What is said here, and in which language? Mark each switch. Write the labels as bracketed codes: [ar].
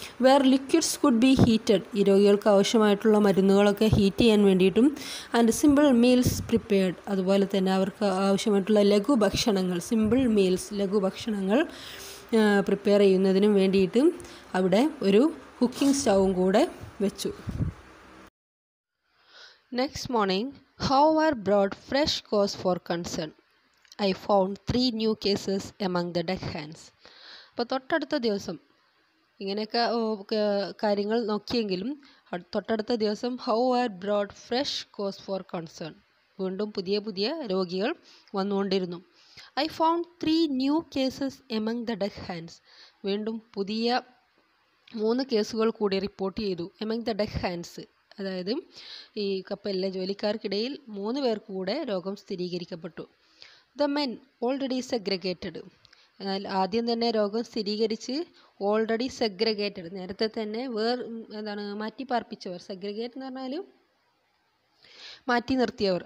[en] were liquids could be heated, [ml] ഈ രോഗികൾക്ക് ആവശ്യമായിട്ടുള്ള മരുന്നുകളൊക്കെ ഹീറ്റ് ചെയ്യാൻ വേണ്ടിയിട്ടും, [en] and simple meals prepared, [ml] അതുപോലെ തന്നെ അവർക്ക് ആവശ്യമായിട്ടുള്ള ലഘുഭക്ഷണങ്ങൾ, സിമ്പിൾ മീൽസ്, ലഘുഭക്ഷണങ്ങൾ പ്രിപ്പയർ ചെയ്യുന്നതിനും വേണ്ടിയിട്ടും അവിടെ ഒരു കുക്കിംഗ് സ്റ്റൗവും കൂടെ വെച്ചു. [en] Next morning, however, brought fresh cause for concern. I found 3 new cases among the deckhands. [ml] അപ്പോൾ തൊട്ടടുത്ത ദിവസം ഇങ്ങനെയൊക്കെ കാര്യങ്ങൾ നോക്കിയെങ്കിലും തൊട്ടടുത്ത ദിവസം [en] however, brought fresh cause for concern. [ml] വീണ്ടും പുതിയ പുതിയ രോഗികൾ വന്നുകൊണ്ടിരുന്നു. [en] I found 3 new cases among the deckhands. [ml] വീണ്ടും പുതിയ 3 കേസുകൾ കൂടി റിപ്പോർട്ട് ചെയ്തു. [en] Among the deckhands, [ml] അതായത് ഈ കപ്പലിലെ ജോലിക്കാർക്കിടയിൽ 3 പേർക്ക് കൂടെ രോഗം സ്ഥിരീകരിക്കപ്പെട്ടു. [en] the men already segregated, [ml] ആദ്യം തന്നെ രോഗം സ്ഥിരീകരിച്ച് ഓൾറെഡി സെഗ്രഗേറ്റഡ്, നേരത്തെ തന്നെ എന്താണ് മാറ്റി പാർപ്പിച്ചവർ, സെഗ്രഗേറ്റ് എന്ന് പറഞ്ഞാലും മാറ്റി നിർത്തിയവർ.